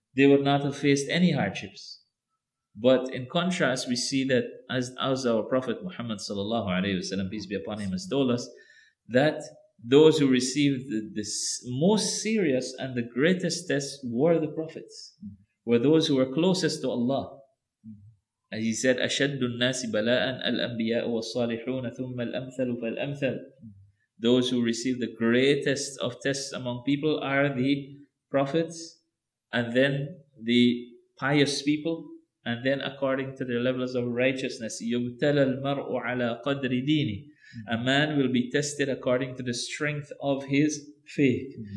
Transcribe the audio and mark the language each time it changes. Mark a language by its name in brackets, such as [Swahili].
[English] They would not have faced any hardships. But in contrast, we see that as our Prophet Muhammad sallallahu alayhi wa sallam, peace be upon him, has told us, that those who received the most serious and the greatest tests were the prophets, were those who were closest to Allah. As he said, [Arabic] أَشَدُّ النَّاسِ بَلَاءً الْأَنْبِيَاءُ وَالصَّالِحُونَ ثُمَّ الْأَمْثَلُ فَالْأَمْثَلُ. [English] Those who received the greatest of tests among people are the prophets, and then the pious people, and then according to their levels of righteousness, [Arabic] يُبْتَلَى الْمَرْءُ عَلَىٰ قَدْرِ دِينِ. [English] A man will be tested according to the strength of his faith.